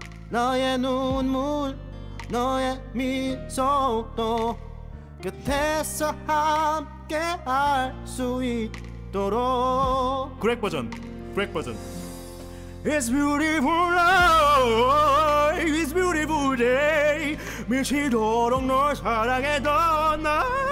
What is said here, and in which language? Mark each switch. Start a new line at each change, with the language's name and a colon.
Korean: 너의 눈물 너의 미소도 곁에서 함께 할 수 있도록. 그렉 버전, 그렉 버전.
English: It's beautiful life, it's beautiful day.
Korean: 미치도록 널 사랑했던 나.